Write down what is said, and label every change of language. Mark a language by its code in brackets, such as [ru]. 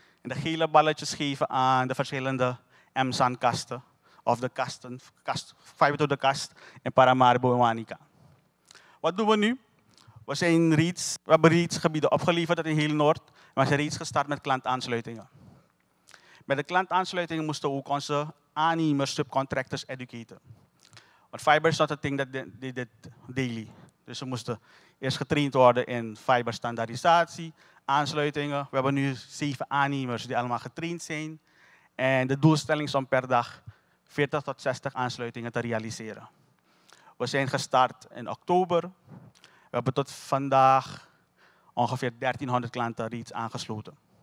[nl] En de gele balletjes geven aan de verschillende MSAN kasten of de kasten, fiber to the kast in Paramaribo en Wanica. Wat doen we nu? We hebben reeds gebieden opgeleverd in heel Noord, maar we zijn reeds gestart met klantaansluitingen. Met de klantaansluitingen moesten we ook onze aannemers, subcontractors, educaten. [en] Want fiber is not a thing that they did daily. [nl] Dus we moesten eerst getraind worden in fiberstandaardisatie, aansluitingen. We hebben nu 7 aannemers die allemaal getraind zijn. En de doelstelling is om per dag 40 tot 60 aansluitingen te realiseren. We zijn gestart in oktober. We hebben tot vandaag ongeveer 1300 klanten reeds aangesloten.